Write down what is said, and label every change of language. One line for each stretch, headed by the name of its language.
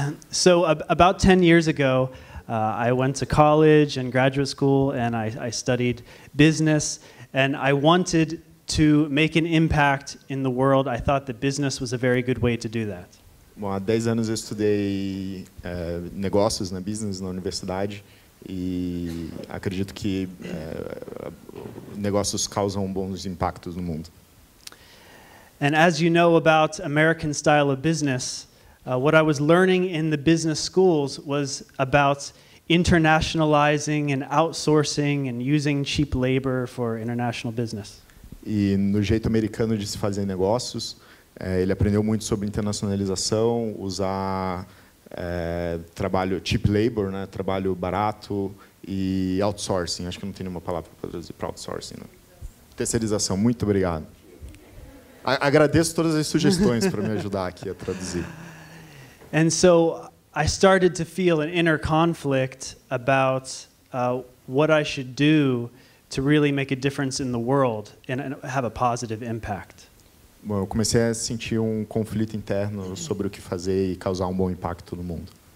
English: So about 10 years ago, I went to college and graduate school, and I studied business, and I wanted to make an impact in the world. I thought that business was a very good way to do that.
Portuguese: Bom, há 10 anos eu estudei negócios, né, business na universidade, e acredito que negócios causam bons impactos no mundo.
English: And as you know about American style of business, what I was learning in the business schools was about internationalizing and outsourcing and using cheap labor for international business.
Portuguese: E no jeito americano de se fazer negócios, ele aprendeu muito sobre internacionalização, usar trabalho
English: cheap labor,
Portuguese: né, trabalho barato, e outsourcing. Acho que não tem nenhuma palavra para traduzir para outsourcing, né? Terceirização. Muito obrigado. Agradeço todas as sugestões para me ajudar aqui a traduzir.
English: And so I started to feel an inner conflict about what I should do to really make a difference in the world and have a positive impact.
Portuguese: Bom, eu comecei a sentir um conflito interno sobre o que fazer e causar um bom impacto no mundo.